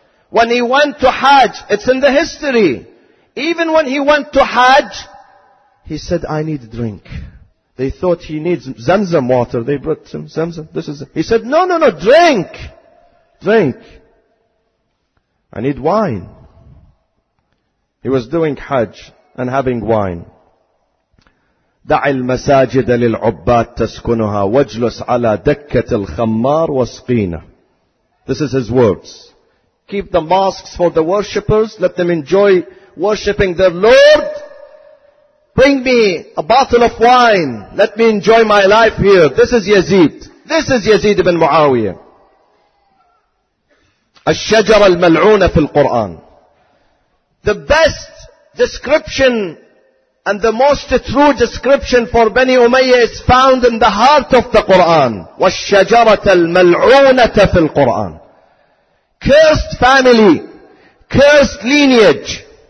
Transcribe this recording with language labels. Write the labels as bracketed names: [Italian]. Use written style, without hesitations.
[English] When he went to Hajj, it's in the history. Even when he went to Hajj, he said, I need drink. They thought he needs Zamzam water. They brought some Zamzam. This is. He said, no, drink. Drink. I need wine. He was doing Hajj and having wine. [Arabic] دع المساجد للعباد تسكنها واجلس على دكة الخمار واسقينا. [English] This is his words. Keep the mosques for the worshippers. Let them enjoy worshipping their Lord. Bring me a bottle of wine. Let me enjoy my life here. This is Yazid. This is Yazid ibn Muawiyah. [Arabic] الشجر الملعونة في القرآن. [English] The best description and the most true description for Bani Umayyah is found in the heart of the Qur'an. [Arabic] وَالشَّجَرَةَ الْمَلْعُونَةَ فِي الْقُرْآنِ. [English] Cursed family, cursed lineage.